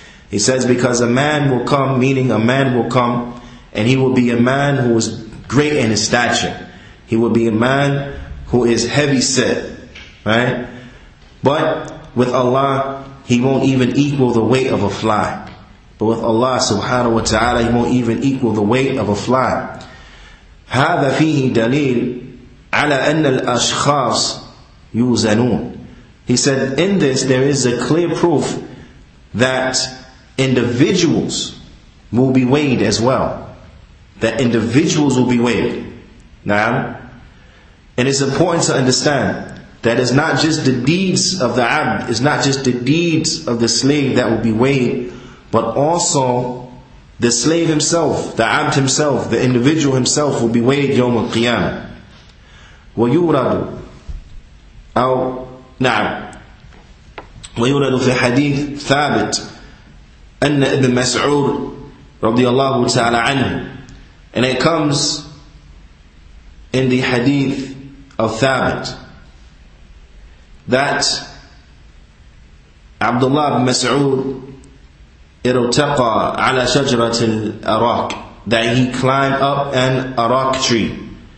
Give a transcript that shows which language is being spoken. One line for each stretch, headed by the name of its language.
English: He says, because a man will come, meaning a man will come, and he will be a man who is great in his stature. He will be a man who is heavy set. Right? But with Allah, he won't even equal the weight of a fly. But with Allah subhanahu wa ta'ala, he won't even equal the weight of a fly.
Arabic: هذا فيه دليل على أن الأشخاص يوزنون.
English: He said, in this, there is a clear proof that individuals will be weighed as well. That individuals will be weighed. Now, and it's important to understand that it's not just the deeds of the abd, it's not just the deeds of the slave that will be weighed, but also the slave himself, the abd himself, the individual himself will be weighed yawm al-qiyamah.
Arabic: وَيُورَدُ أو نعم وَيُورَدُ فِي حَدِيثٍ ثَابِتٍ أَنَّ إِبْنَ مَسْعُورٍ رَضِيَ اللَّهُ تَعَالَى عَنْهُ.
English: And it comes in the hadith of Thabit that Abdullah ibn Mas'ud
Arabic: irtaqa ala shajarat al-araq,
English: that he climbed up an araq tree.